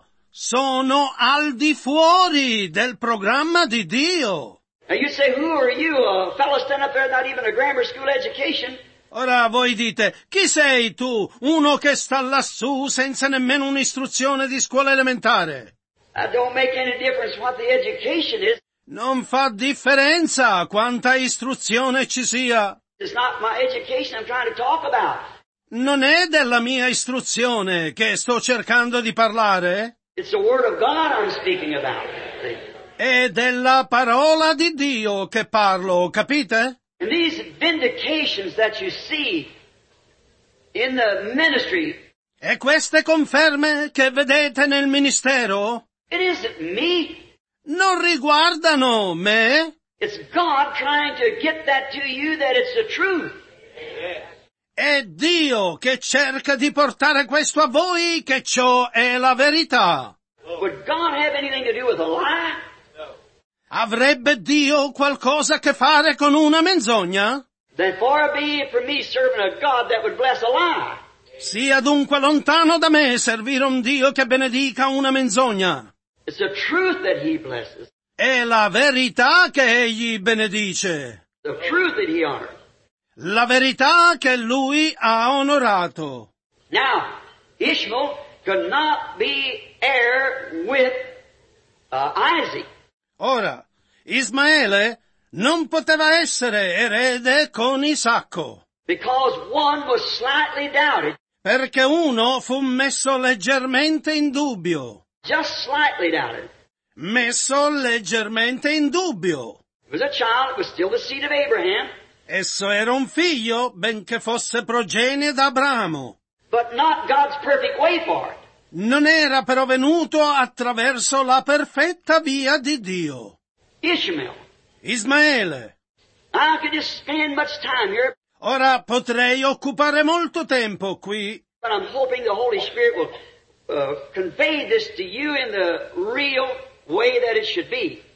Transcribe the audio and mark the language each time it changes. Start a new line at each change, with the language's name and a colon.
Italian: Sono al di fuori del programma di Dio.
English: And you say, who are you, a fellow stand up there, not even a grammar school education?
Italian: Ora voi dite, chi sei tu, uno che sta lassù senza nemmeno un'istruzione di scuola elementare?
English: I don't make any difference what the education is.
Italian: Non fa differenza quanta istruzione ci sia.
English: It's not my education I'm trying to talk about.
Italian: Non è della mia istruzione che sto cercando di parlare.
English: It's the word of God I'm speaking about.
Italian: È della parola di Dio che parlo, capite?
English: And these vindications that you see in the ministry,
Italian: e queste conferme che vedete nel ministero,
English: it isn't me.
Italian: Non riguardano me.
English: It's God trying to get that to you that it's the truth.
Italian: È Dio che cerca di portare questo a voi che ciò è la verità.
English: Would God have anything to do with a lie?
Italian: Avrebbe Dio qualcosa a che fare con una menzogna?
English: Then far be it from me serving a God that would bless a lie.
Italian: Sia dunque lontano da me servire un Dio che benedica una menzogna.
English: It's the truth that he blesses.
Italian: È la verità che egli benedice.
English: The truth that he honored.
Italian: La verità che lui ha onorato.
English: Now, Ishmael could not be heir with Isaac.
Italian: Ora, Ismaele non poteva essere erede con Isacco.
English: Because one was slightly doubted.
Italian: Perché uno fu messo leggermente in dubbio.
English: Just slightly doubted.
Italian: Messo leggermente in dubbio.
English: It was a child, it was still the seed of Abraham.
Italian: Esso era un figlio, benché fosse progenie d'Abramo.
English: But not God's perfect way for it.
Italian: Non era però venuto attraverso la perfetta via di Dio.
English: Ishmael.
Italian: Ismaele.
English: I could just spend much time here.
Italian: Ora potrei occupare molto tempo qui.
English: But I'm hoping the Holy Spirit will convey this to you in the real way that it should be.